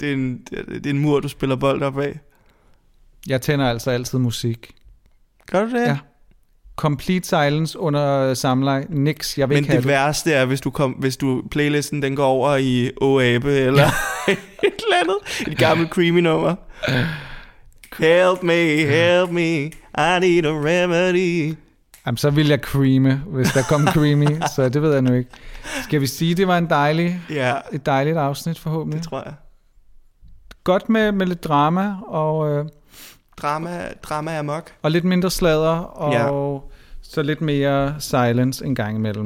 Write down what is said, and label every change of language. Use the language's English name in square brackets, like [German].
[Danish] Det er en mur, du spiller bold op af. Jeg tænder altså altid musik. Gør du det? Ja. [English] Complete silence [Danish] under samleje. Nix, jeg vil ikke have det. Men det værste er, hvis du playlisten den går over i Åabe eller et eller andet. Et gammelt creamy nummer. [English] Help me, help me, I need a remedy. [Danish] Jamen, så vil jeg creame, hvis der kom creamy, så det ved jeg nu ikke. Skal vi sige, det var en dejlig, et dejligt afsnit forhåbentlig? Det tror jeg. Godt med lidt drama og... Drama er mok. Og lidt mindre sladder, og så lidt mere silence en gang imellem.